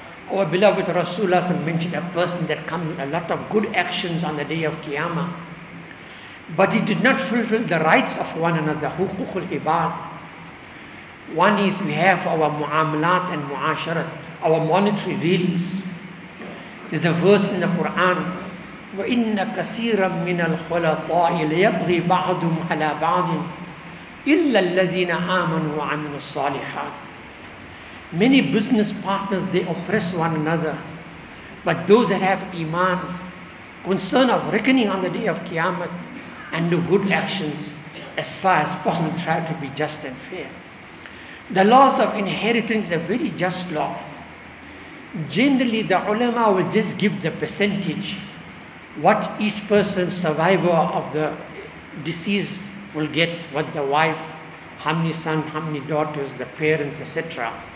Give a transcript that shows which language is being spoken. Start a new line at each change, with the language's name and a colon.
English: Our beloved Rasulullah mentioned a person that comes with a lot of good actions on the day of Qiyamah, but he did not fulfill the rights of one another, huququl ibad. One is we have our mu'amalat and mu'asharat, our monetary dealings. There's a verse in the Quran,
Arabic: وإن كثيرا من الخلطاء ليبغي بعضهم على بعض إلا الذين آمنوا وعملوا الصالحات.
English: Many business partners, they oppress one another, but those that have iman, concern of reckoning on the day of Qiyamah, and do good actions as far as possible, try to be just and fair. The laws of inheritance is a very just law. Generally, the ulama will just give the percentage what each person, survivor of the deceased, will get, what the wife, how many sons, how many daughters, the parents, etc.